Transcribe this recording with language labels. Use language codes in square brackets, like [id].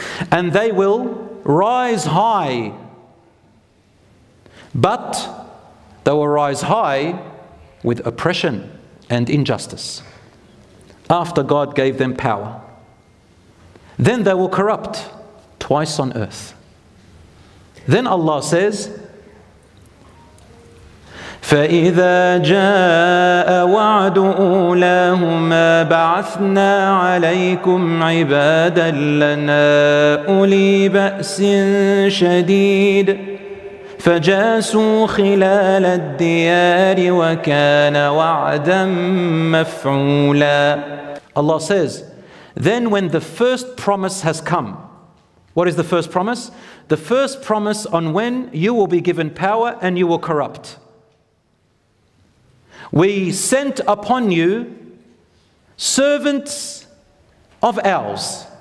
[en] And they will rise high. But they will rise high with oppression and injustice. After God gave them power. Then they will corrupt twice on earth. Then Allah says, [ar] فَإِذَا جَاءَ وَعْدُ أُولَاهُمَا بَعَثْنَا عَلَيْكُمْ عِبَادًا لَنَا أُولِي بَأْسٍ شَدِيدٍ فَجَاسُوا خِلَالَ الدِّيَارِ وَكَانَ وَعْدًا مَفْعُولًا. [en] Allah says, then when the first promise has come, what is the first promise? The first promise on when you will be given power and you will corrupt. We sent upon you servants of ours.